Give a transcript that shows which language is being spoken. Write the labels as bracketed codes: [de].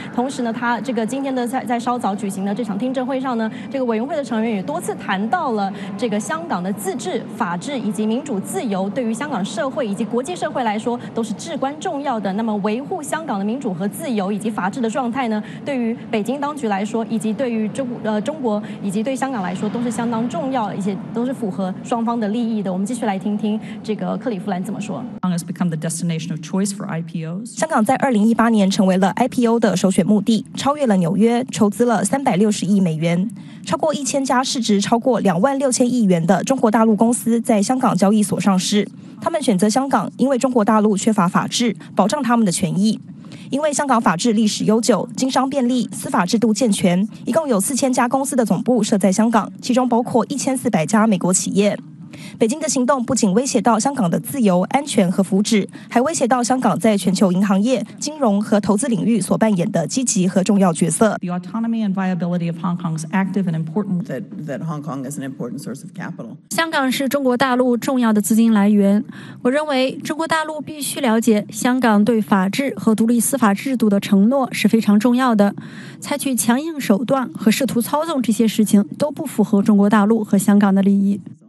[zh] 同时呢，他这个今天的在稍早举行的这场听证会上呢，这个委员会的成员也多次谈到了这个香港的自治、法治以及民主自由对于香港社会以及国际社会来说都是至关重要的。那么维护香港的民主和自由以及法治的状态呢，对于北京当局来说，以及对于中国以及对香港来说都是相当重要，而且都是符合双方的利益的。我们继续来听听这个克里夫兰怎么说。 [en] 香港 has become the destination of choice for IPOs. [zh] 香港在2018年成为了 IPO 的首选目的，超越了纽约，筹资了360亿美元。超过1000家市值超过26000亿元的中国大陆公司在香港交易所上市。他们选择香港，因为中国大陆缺乏法治，保障他们的权益。因为香港法治历史悠久，经商便利，司法制度健全，一共有4000家公司的总部设在香港，其中包括1400家美国企业。北京的行动不仅威胁到香港的自由、安全和福祉，还威胁到香港在全球银行业、金融和投资领域所扮演的积极和重要角色。 [en] The autonomy and viability of Hong Kong's active and important that Hong Kong is an important source of capital. [zh] 香港是中国大陆重要的资金来源。我认为中国大陆必须了解香港对法治和独立司法制度的承诺是非常重要的。采取强硬手段和试图操纵这些事情都不符合中国大陆和香港的利益。